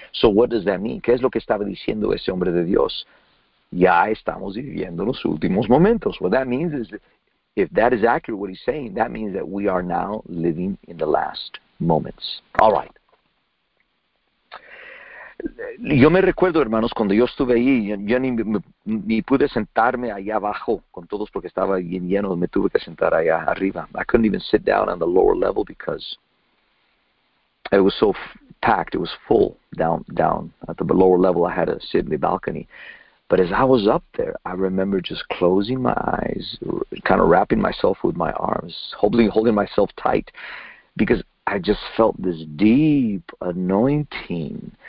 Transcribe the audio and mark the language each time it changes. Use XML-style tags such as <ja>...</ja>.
<en>So what does that mean?</en> <es>¿Qué es lo que estaba diciendo ese hombre de Dios? Ya estamos viviendo los últimos momentos.</es> <en>What that means is, if that is accurate, what he's saying, that means that we are now living in the last moments. All right.</en> <es>Yo me recuerdo, hermanos, cuando yo estuve ahí, yo ni pude sentarme allá abajo con todos porque estaba bien lleno, me tuve que sentar allá arriba.</es> <en>I couldn't even sit down on the lower level because it was so packed, it was full down at the lower level. I had to sit in the balcony. But as I was up there, I remember just closing my eyes, kind of wrapping myself with my arms, holding myself tight, because I just felt this deep anointing.</en>